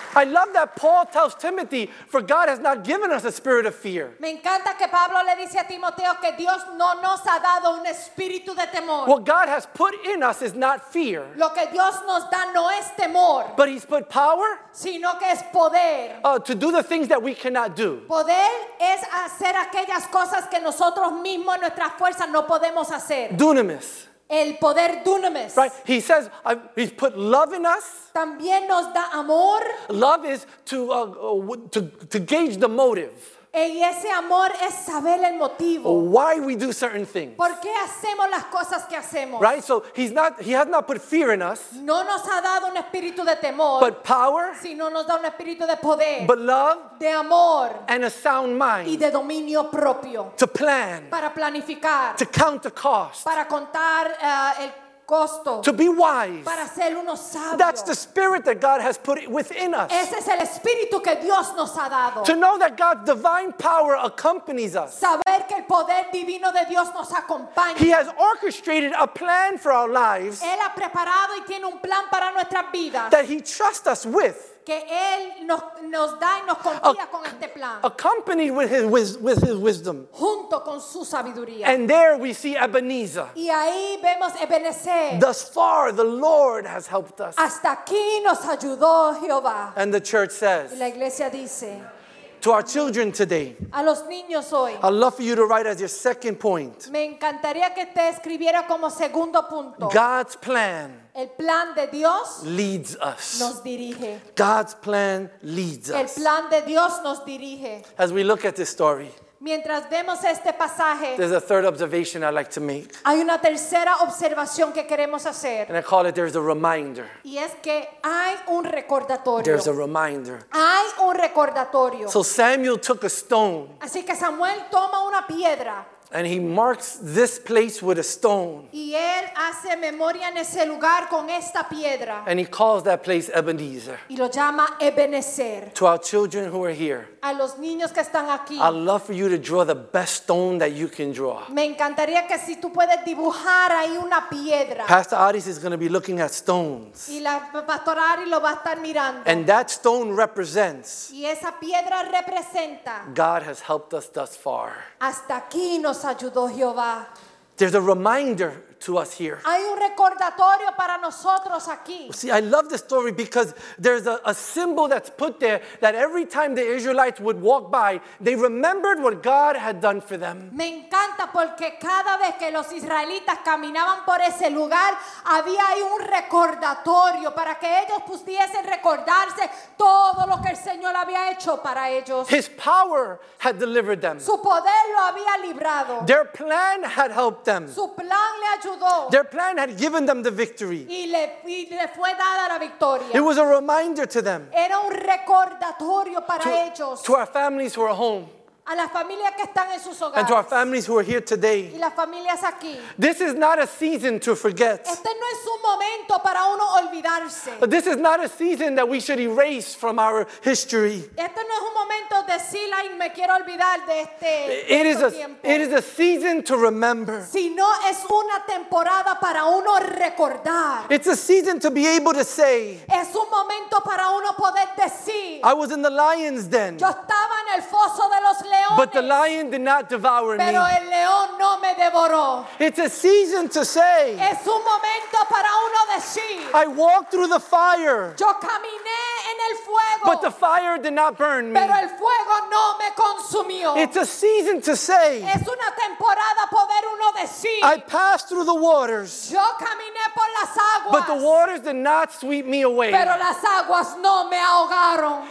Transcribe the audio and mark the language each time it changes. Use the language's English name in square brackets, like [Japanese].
[English] I love that Paul tells Timothy, for God has not given us a spirit of fear. [Spanish] Me encanta que Pablo le dice a Timoteo que Dios no nos ha dado un espíritu de temor. [English] What God has put in us is not fear. [Spanish] Lo que Dios nos da no es temor. [English] But he's put power. [Spanish] Sino que es poder. [English] To do the things that we cannot do. [Spanish] Poder es hacer aquellas cosas que nosotros mismos en nuestras fuerzas no podemos hacer. [English] Dunamis. [Spanish] El poder dunamis. [English] Right? He says, he's put love in us. [Spanish] También nos da amor. [English] Love is to gauge the motive. [Spanish] Y ese amor es saber el motivo. [English] Why we do certain things. [Spanish] ¿Por qué hacemos las cosas que hacemos? [English] Right? So he has not put fear in us. [Spanish] No nos ha dado un espíritu de temor. [English] But power. [Spanish] Sino nos da un espíritu de poder. [English] But love. [Spanish] De amor. [English] And a sound mind. [Spanish] Y de dominio propio. [English] To plan. [Spanish] Para planificar. [English] To count the cost. [Spanish] Para contar el costo. [English] To be wise. [Spanish] Para ser unos sabios. [English] That's the spirit that God has put within us. [Spanish] Ese es el espíritu que Dios nos ha dado. [English] To know that God's divine power accompanies us. [Spanish] Saber que el poder divino de Dios nos acompaña. [English] He has orchestrated a plan for our lives. [Spanish] Él ha preparado y tiene un plan para nuestras vidas. [English] That he trusts us with. [Spanish] Que él nos da y nos confía con este plan. [English] Accompanied with his wisdom. [Spanish] Junto con su sabiduría. [English] And there we see Ebenezer. [Spanish] Y ahí vemos Ebenezer. [English] Thus far the Lord has helped us. [Spanish] Hasta aquí nos ayudó Jehová. [English] And the church says. [Spanish] Y la iglesia dice. [English] To our children today. [Spanish] A los niños hoy. [English] I'd love for you to write as your second point. [Spanish] Me encantaría que te escribiera como segundo punto. [English] God's plan. [Spanish] El plan de Dios [English] leads us. [Spanish] Nos dirige. [English] God's plan leads us. [Spanish] El plan de Dios nos dirige. [English] As we look at this story, [Spanish] mientras vemos este pasaje, [English] there's a third observation I'd like to make. [Spanish] Hay una tercera observación que queremos hacer. [English] And I call it, there's a reminder. [Spanish] Y es que hay un recordatorio. [English] There's a reminder. [Spanish] Hay un recordatorio. [English] So Samuel took a stone. [Spanish] Así que Samuel toma una piedra. [English] And he marks this place with a stone. [Spanish] Y él hace memoria en ese lugar con esta piedra. [English] And he calls that place Ebenezer. [Spanish] Y lo llama Ebenezer. [English] To our children who are here. [Spanish] A los niños que están aquí. [English] I'd love for you to draw the best stone that you can draw. [Spanish] Me encantaría que si tú puedes dibujar ahí una piedra. [English] Pastor Aris is going to be looking at stones. [Spanish] Y la pastor Aris lo va a estar mirando. [English] And that stone represents. [Spanish] Y esa piedra representa. [English] God has helped us thus far. [Spanish] Hasta aquí nos ayudó Jehová. [English] There's a reminder to us here. [Spanish] Hay un recordatorio para nosotros aquí. [English] See, I love the story because there's a symbol that's put there that every time the Israelites would walk by, they remembered what God had done for them. [Spanish] Me encanta porque cada vez que los israelitas caminaban por ese lugar, había ahí un recordatorio para que ellos pudiesen recordarse todo lo que el Señor había hecho para ellos. [English] His power had delivered them. [Spanish] Su poder lo había librado. [English] Their plan had helped them. [Spanish] Su plan le [English] Their plan had given them the victory. [Spanish] Y le fue dada la victoria. [English] It was a reminder to them. [Spanish] Era un recordatorio para ellos. [English] To our families who are home. [Spanish] A las familias que están en sus hogares. [English] And to our families who are here today. [Spanish] Y las familias aquí. [English] This is not a season to forget. [Spanish] Este no es un momento para uno olvidarse. [English] But this is not a season that we should erase from our history. [Spanish] Este no es un momento de decir, ay, me quiero olvidar de este tiempo. [English] It is a season to remember. [Spanish] Si no es una temporada para uno recordar. [English] It's a season to be able to say. [Spanish] Es un momento para uno poder decir. [English] I was in the lion's den. [Spanish] Yo estaba en el foso de los [English] But the lion did not devour [Spanish] Pero [English] me. [Spanish] El león no me devoró. [English] It's a season to say. [Spanish] Es un momento para uno decir, [English] I walked through the fire. [Spanish] Yo caminé en el fuego. [English] But the fire did not burn me. [Spanish] Pero el fuego no me consumió. [English] It's a season to say. [Spanish] Es una temporada poder uno decir, [English] I passed through the waters. [Spanish] Yo caminé por las aguas. [English] But the waters did not sweep me away. [Spanish] Pero las aguas no me ahogaron.